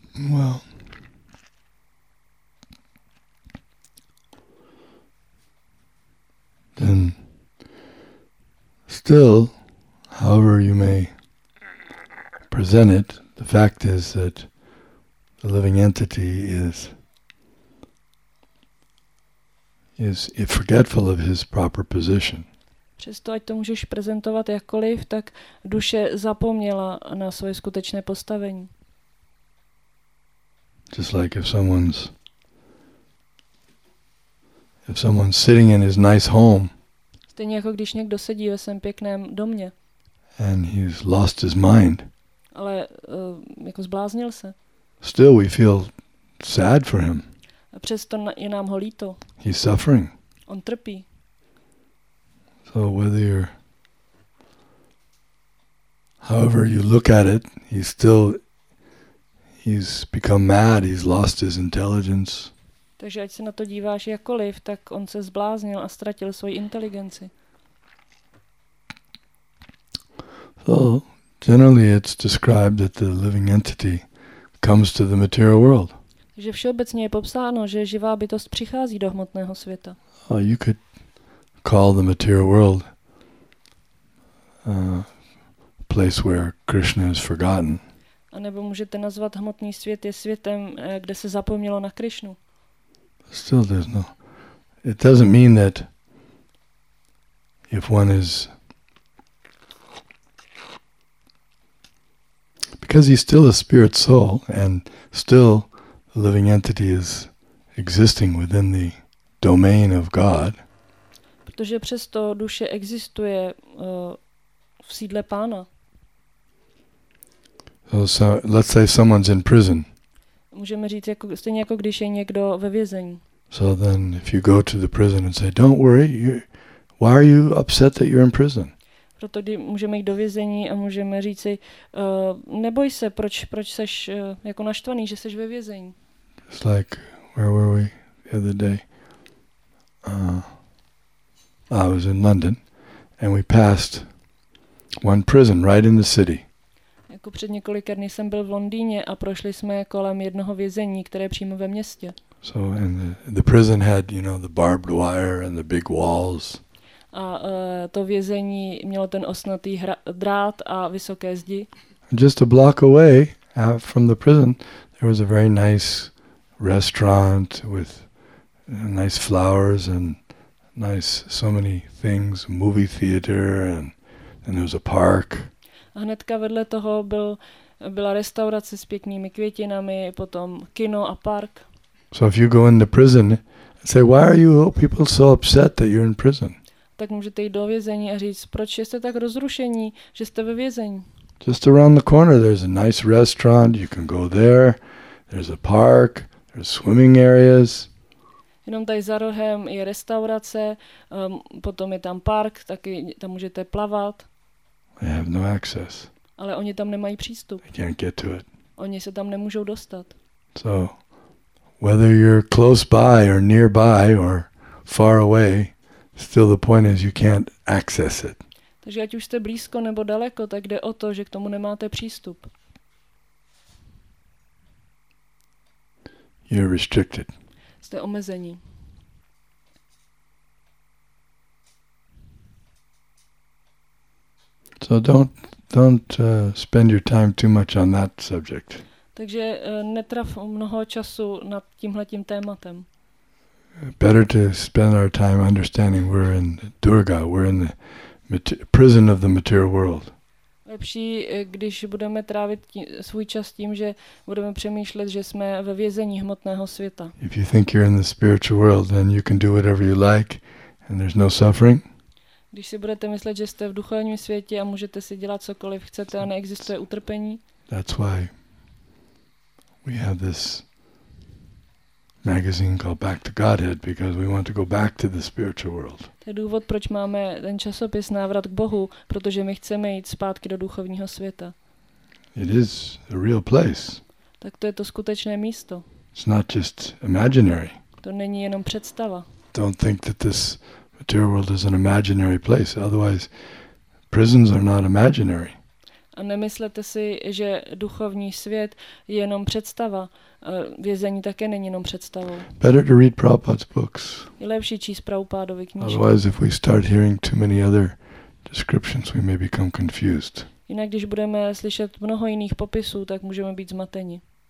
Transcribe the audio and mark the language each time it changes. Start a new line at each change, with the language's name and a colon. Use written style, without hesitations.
English: Well, then, still, however you may present it, the fact is that the living entity is forgetful of his proper position.
Czech: Přesto, ať to můžeš prezentovat jakkoliv, tak duše zapomněla na svoje skutečné postavení.
English: Just like if someone's sitting in his nice home.
Czech: Stejně jako když někdo sedí ve svém pěkném domě.
English: And he's lost his mind.
Czech: Ale jako zbláznil se.
English: Still we feel sad for him.
Czech: A přesto je nám ho líto.
English: He's suffering.
Czech: On trpí.
English: So whether you're, however you look at it, he's become mad, he's lost his intelligence.
Czech: Takže ať se na to díváš jakkoliv, tak on se zbláznil a ztratil svoji inteligenci.
English: So generally it's described that the living entity comes to the material world.
Czech: Že všeobecně je popsáno, že živá bytost přichází do hmotného světa.
English: You could call the material world a place where Krishna is forgotten.
Czech: A nebo můžete nazvat hmotný svět je světem, kde se zapomnělo na Krishnu.
English: Still there's no. It doesn't mean that if one is, because he's still a spirit soul and still a living entity is existing within the domain of God.
Czech: Protože přesto duše existuje v sídle pána.
English: So let's say someone's in prison.
Czech: Můžeme říct jako stejně jako když je někdo ve vězení.
English: So then if you go to the prison and say, don't worry, why are you upset that you're in prison?
Czech: Proto můžeme jít do vězení a můžeme říci, neboj se, proč seš jako naštvaný, že seš ve vězení.
English: It's like, where were we the other day? I was in London and we passed one prison right in the city.
Czech: Jako před několika dny jsem byl v Londýně a prošli jsme kolem jednoho vězení, které je přímo ve městě.
English: So and the prison had, you know, the barbed wire and the big walls.
Czech: A to vězení mělo ten osnatý drát a vysoké zdi.
English: Just a block away from the prison, there was a very nice restaurant with nice flowers and nice so many things, movie theater and there was a park.
Czech: A hnedka vedle toho byla restaurace s pěknými květinami, potom kino a park.
English: So if you go in the prison and say, why are you people so upset that you're in prison?
Czech: Tak můžete jít do vězení a říct, proč jste tak rozrušení, že jste ve vězení.
English: Just around the corner, there's a nice restaurant. You can go there. There's a park. There's swimming areas.
Czech: Jenom tady za rohem je restaurace, potom je tam park, taky tam můžete plavat.
English: They have no access.
Czech: Ale oni tam nemají přístup.
English: They can't get to it.
Czech: Oni se tam nemůžou dostat.
English: So, whether you're close by or nearby or far away, still the point is you can't access it.
Czech: Takže ať už jste blízko nebo daleko, tak jde o to, že k tomu nemáte přístup.
English: You're restricted.
Czech: Jste omezení.
English: So don't spend your time too much on that subject.
Czech: Takže netrav mnoho času nad tímhletím tématem.
English: Better to spend our time understanding we're in Durga, we're in the prison of the material world.
Czech: Lepší, když budeme trávit svůj čas tím, že budeme přemýšlet, že jsme ve vězení hmotného světa.
English: If you think you're in the spiritual world, then you can do whatever you like and there's no suffering.
Czech: Když si budete myslet, že jste v duchovním světě a můžete si dělat cokoliv chcete a neexistuje utrpení.
English: That's why we have this magazine called Back to Godhead, because we want to go back to the spiritual world.
Czech: To je důvod, proč máme ten časopis Návrat k Bohu, protože my chceme jít zpátky do duchovního světa.
English: It is a real place.
Czech: Tak to je to skutečné místo.
English: It's not just imaginary.
Czech: To není jenom představa.
English: Don't think that this material world is an imaginary place, otherwise prisons are not imaginary.
Czech: A nemyslete si, že duchovní svět je jenom představa. Vězení také není jenom představou.
English: Better to read Prabhupada's books.
Czech: Je lepší číst Prabhupádovy knížky.
English: Otherwise, if we start hearing too many other descriptions, we may become confused.
Czech: Jinak, když budeme slyšet mnoho jiných popisů, tak můžeme být zmateni.